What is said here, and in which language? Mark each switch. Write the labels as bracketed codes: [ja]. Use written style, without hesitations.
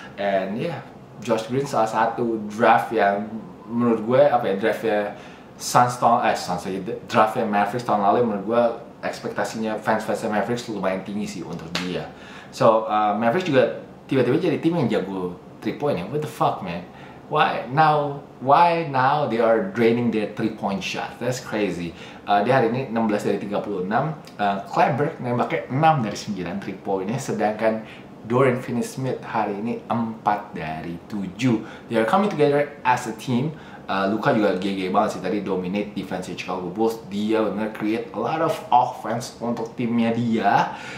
[id] And ya, yeah, Josh Green salah satu draft yang menurut gue apa ya, draftnya Mavericks tahun lalu menurut gue ekspektasinya fans-fansnya Mavericks lumayan tinggi sih untuk dia. So Mavericks juga tiba-tiba jadi tim yang jago 3 poinnya. [en] What the fuck, man? Why now they are draining their 3-point shots? That's crazy. [id] Dia hari ini 16 dari 36. Kleber nembaknya 6 dari 9 3 poinnya. Sedangkan Dorian Finney-Smith hari ini 4 dari 7. [en] They are coming together as a team. [id] Luka juga GG banget sih tadi, [en] dominate defense Chicago Bulls. [id] Dia benar [en] create a lot of offense [id] untuk timnya dia.